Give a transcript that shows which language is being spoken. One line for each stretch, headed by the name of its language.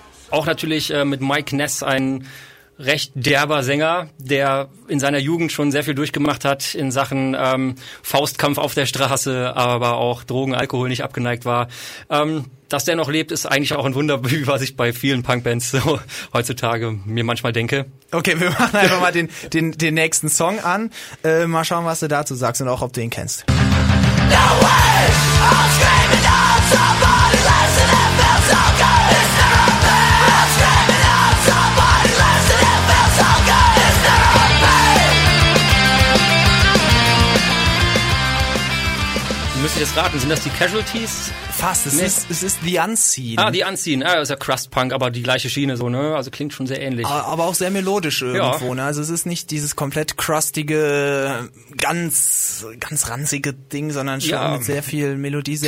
German: Auch natürlich mit Mike Ness, ein recht derber Sänger, der in seiner Jugend schon sehr viel durchgemacht hat in Sachen Faustkampf auf der Straße, aber auch Drogen, Alkohol nicht abgeneigt war. Dass der noch lebt, ist eigentlich auch ein Wunder, was ich bei vielen Punkbands so heutzutage mir manchmal denke. Okay, wir machen einfach mal den nächsten Song an. Mal schauen, was du dazu sagst und auch, ob du ihn kennst.
English: No way! I'm screaming out somebody listen, it feels so good, it's therapy. I'm screaming out somebody listen, it feels so good, it's therapy.
German: Du müsstest jetzt raten, sind das die Casualties? Fast, es ist The Unseen. Ah, The Unseen, ja, ist ja Crust-Punk, aber die gleiche Schiene so, ne? Also klingt schon sehr ähnlich. Aber auch sehr melodisch irgendwo, ja. Ne? Also es ist nicht dieses komplett crustige, ganz, ganz ranzige Ding, sondern schon mit sehr viel Melodie, sehr